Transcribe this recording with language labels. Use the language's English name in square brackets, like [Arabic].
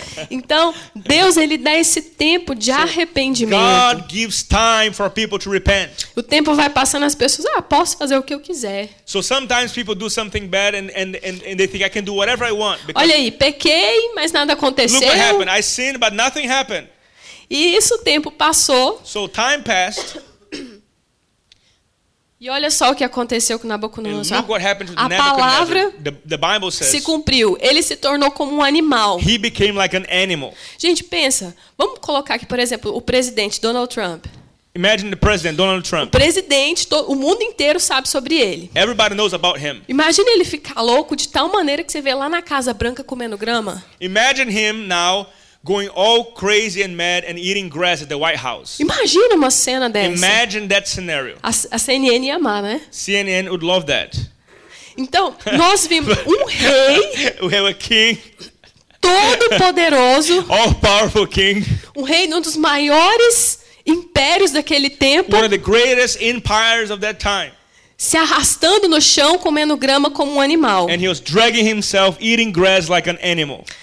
[Portuguese] Então, Deus ele dá esse tempo de arrependimento. [English] God gives time for people to repent. [Portuguese] O tempo vai passando, as pessoas, posso fazer o que eu quiser. [English] So sometimes people do something bad and they think I can do whatever I want. [Portuguese] Olha aí, pequei, mas nada aconteceu. [English] Look what happened. I sinned, but nothing happened. [Portuguese] E isso, o tempo passou. [English] So time passed. [Portuguese] E olha só o que aconteceu com Nabucodonosor. [English] Look what happened to [Portuguese] a palavra [English] the Bible says, [Portuguese] se cumpriu. Ele se tornou como um animal. [English] He became like an animal. [Portuguese] Gente, pensa. Vamos colocar aqui, por exemplo, o presidente Donald Trump. [English] Imagine the president, Donald Trump. [Portuguese] O presidente, o mundo inteiro sabe sobre ele. [English] Everybody knows about him. [Portuguese] Imagine ele ficar louco de tal maneira que você vê lá na Casa Branca comendo grama. [English] Imagine him now going all crazy and mad and eating grass at the White House. [Portuguese] Imagina uma cena dessa. [English] Imagine that scenario. [Portuguese] A CNN ia amar, né? [English] CNN would love that. [Portuguese] Então, nós vimos um rei. [English] We have a king. [Portuguese] Todo poderoso. [English] All powerful king. [Portuguese] Um rei de um dos maiores impérios daquele tempo. [English] One of the greatest empires of that time. [Portuguese] Se arrastando no chão, comendo grama como um animal. [English] And he was dragging himself, eating grass like an animal.